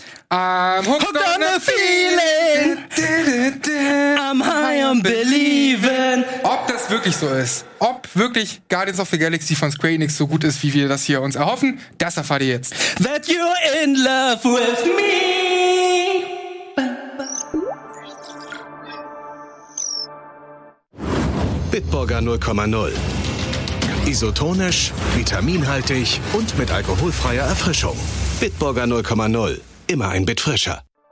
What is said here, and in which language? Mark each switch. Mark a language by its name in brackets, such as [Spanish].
[English] I'm hooked on the feeling. I'm high on believing. [German] Ob das wirklich so ist, ob wirklich Guardians of the Galaxy von Square Enix so gut ist, wie wir das hier uns erhoffen, das erfahrt ihr jetzt. [English] That you're in love with me. [German] Bitburger 0,0. Isotonisch, vitaminhaltig und mit alkoholfreier Erfrischung. Bitburger 0,0. Immer ein Bit frischer.